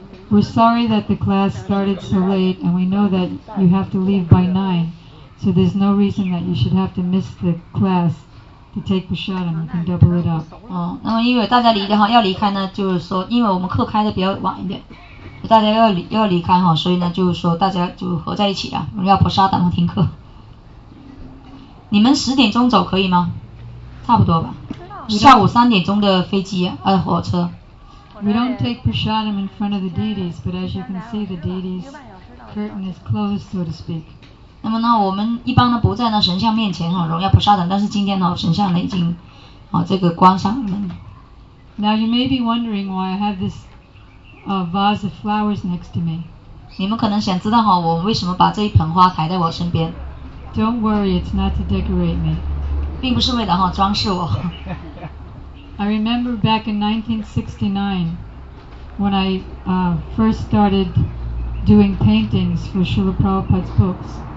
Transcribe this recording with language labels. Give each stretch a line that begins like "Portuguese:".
English: We're sorry that the class started so late, and we know that you have to leave by 9, so there's no reason that you should have to miss the class to take prasadam. You can double it up.
Chinese: 那么因为大家离的话要离开呢，就是说因为我们课开的比较晚一点，大家要离开哈，所以呢就是说大家就合在一起啊，我们要prasadam和听课。你们十点钟走可以吗？差不多吧，下午三点钟的飞机火车。
English: We don't take prasadam in front of the deities, but as you can see, the deities' curtain is closed, so to speak.
Chinese: 那么呢，我们一般呢不在那神像面前哈荣耀prasadam，但是今天呢神像呢已经这个关上门。
English: Now you may be wondering why I have this vase of flowers next to me.
Chinese: 你们可能想知道哈我为什么把这一盆花抬在我身边。
English: Don't worry, it's not to decorate me.
Chinese: 并不是为了哈装饰我。
English: I remember back in 1969 when I first started doing paintings for Srila Prabhupada's books.